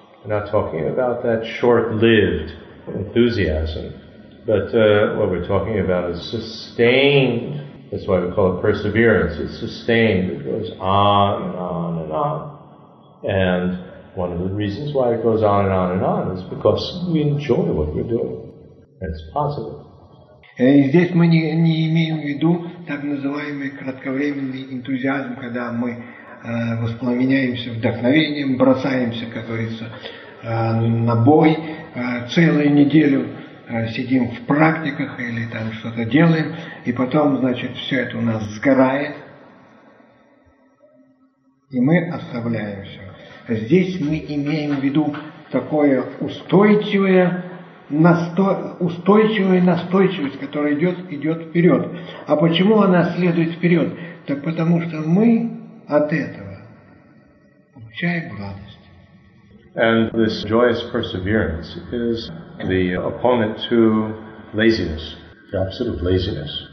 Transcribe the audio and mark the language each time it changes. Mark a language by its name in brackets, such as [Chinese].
[English] We're not talking about that short-lived enthusiasm, but what we're talking about is sustained. That's why we call it perseverance. It's sustained. It goes on and on and on. And one of the reasons why it goes on and on and on is because we enjoy what we're doing. It's possible. [Russian] И здесь мы не имеем в виду так называемый кратковременный энтузиазм, когда мы воспламеняемся вдохновением, бросаемся, как говорится, на бой, целую неделю сидим в практиках или там что-то делаем, и потом, значит, все это у нас сгорает, и мы оставляем все. Здесь мы имеем в виду такое устойчивое, устойчивая настойчивость, которая идет вперед. А почему она следует вперед? Так потому что мы от этого получаем радость. [English] And this joyous perseverance is the opponent to laziness, the opposite of laziness.